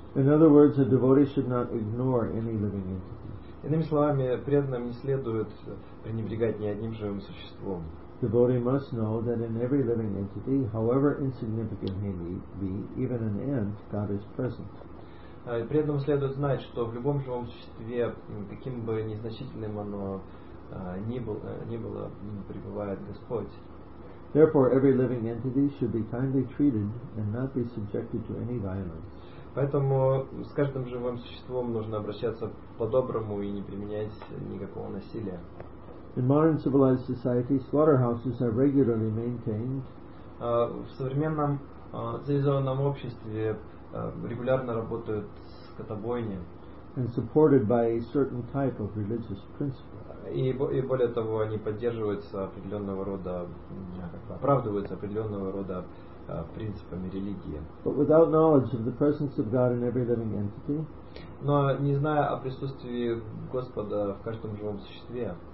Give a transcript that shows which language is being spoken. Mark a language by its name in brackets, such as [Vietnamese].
[English] In other words, a devotee should not ignore any living entity. [Russian] Иными словами, преданным не следует пренебрегать ни одним живым существом. [English] Devotee must know that in every living entity, however insignificant he may be, even an ant, God is present. [Russian] При этом следует знать, что в любом живом существе, каким бы незначительным оно ни было, пребывает Господь. [English] Therefore, every living entity should be kindly treated and not be subjected to any violence. [Russian] Поэтому с каждым живым существом нужно обращаться по-доброму и не применять никакого насилия. [English] In modern civilized society, slaughterhouses are regularly maintained. [Russian] В современном цивилизованном обществе регулярно работают скотобойни, [English] and supported by a certain type of religious principle. [Russian] И более того, они поддерживаются определенного рода, оправдываются определенного рода принципами религии. [English] But without knowledge of the presence of God in every living entity, [Russian] но не зная о присутствии Господа в каждом живом существе,